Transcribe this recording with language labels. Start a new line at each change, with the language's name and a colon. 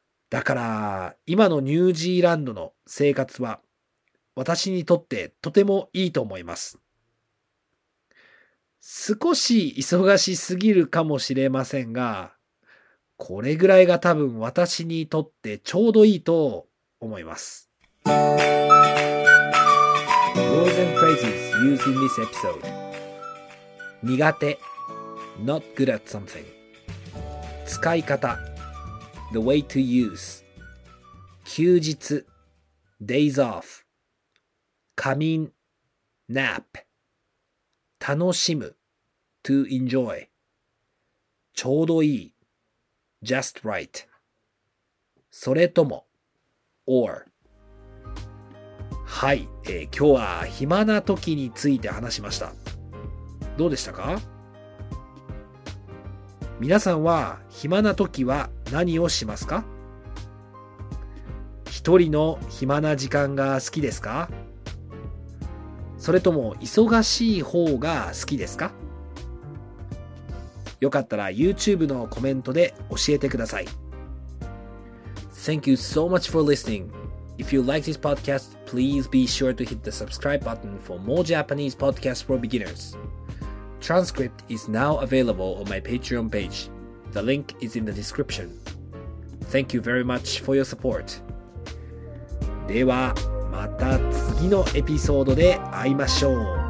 Japanese: だから今のニュージーランドの生活は私にとってとてもいいと思います。少し忙しすぎるかもしれませんが、これぐらいが多分私にとってちょうどいいと思います。
English: Words and phrases used in this episode. 苦手 not good at something. 使い方 the way to use. 休日 days off. 仮眠 nap. 楽しむto enjoy. ちょうどいい just right. それとも or.
Japanese: はい、今日は暇な時について話しました。どうでしたか？皆さんは暇な時は何をしますか？一人の暇な時間が好きですか？それとも忙しい方が好きですか？よかったら YouTube のコメントで教えてください。
English: Thank you so much for listening. If you like this podcast, please be sure to hit the subscribe button for more Japanese podcasts for beginners. Transcript is now available on my Patreon page. The link is in the description. Thank you very much for your support.
Japanese: ではまた次のエピソードで会いましょう。